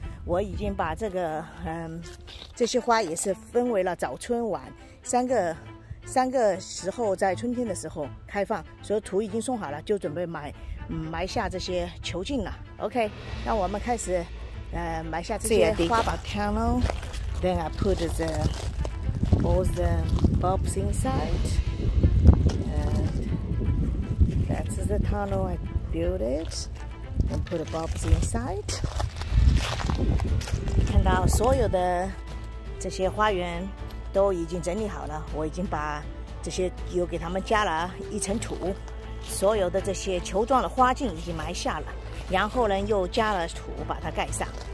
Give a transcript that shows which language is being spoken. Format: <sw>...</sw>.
<zh>我已经把这个这些花也是分为了早春晚三个时候，在春天的时候开放，所以土已经送好了，就准备埋下这些球茎了。 OK， 那我们开始埋下这些花吧。</zh> <en>Then I put all the bulbs inside and that's the tunnel I built it and put the bulbs inside。</en> <zh>看到所有的这些花园都已经整理好了，我已经把这些又给他们加了一层土，所有的这些球状的花茎已经埋下了，然后呢又加了土把它盖上。</zh>